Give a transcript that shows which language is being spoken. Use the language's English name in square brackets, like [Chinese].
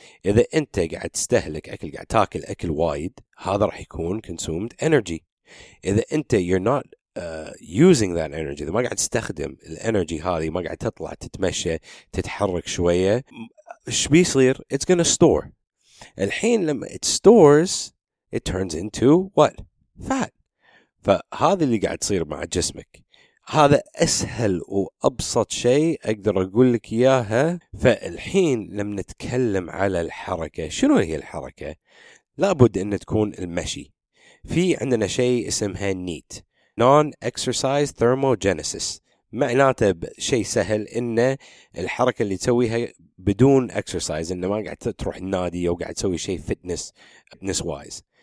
[Arabic] إذا أنت قاعد تستهلك أكل, قاعد تاكل أكل وايد, هذا راح يكون [English] consumed energy. [Arabic] إذا أنت [English] you're not using that energy, [Arabic] إذا ما قاعد تستخدم ال energy هذه, ما قاعد تطلع تتمشى تتحرك شوية, إيش بيصير؟ [English] It's gonna store. [Arabic] الحين لما [English] it stores, it turns into what? Fat. [Arabic] فهذا اللي قاعد تصير مع جسمك. هذا أسهل وأبسط شيء أقدر أقول لك إياها. فالحين لما نتكلم على الحركة, شنو هي الحركة؟ لابد أن تكون المشي. في عندنا شيء اسمها NEAT, Non-Exercise Thermogenesis, معناته شيء سهل أن الحركة اللي تسويها بدون exercise, أن ما قاعد تروح النادي أو قاعد تسوي شيء [English] fitness wise.